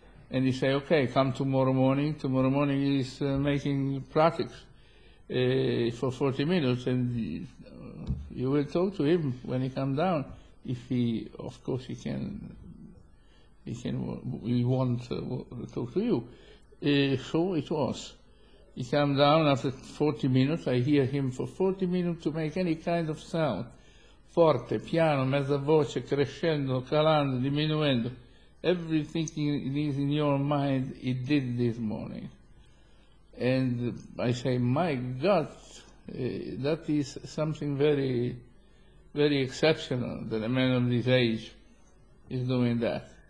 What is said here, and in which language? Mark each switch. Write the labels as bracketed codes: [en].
[en] And he said, okay, come tomorrow morning. Tomorrow morning he's making practice for 40 minutes, and you will talk to him when he comes down. If he, of course, he wants to talk to you. So it was. He came down after 40 minutes. I hear him for 40 minutes to make any kind of sound. [it] Forte, piano, mezza voce, crescendo, calando, diminuendo. [en] Everything is in your mind, he did this morning. And I say, my God, that is something very, very exceptional that a man of this age is doing that.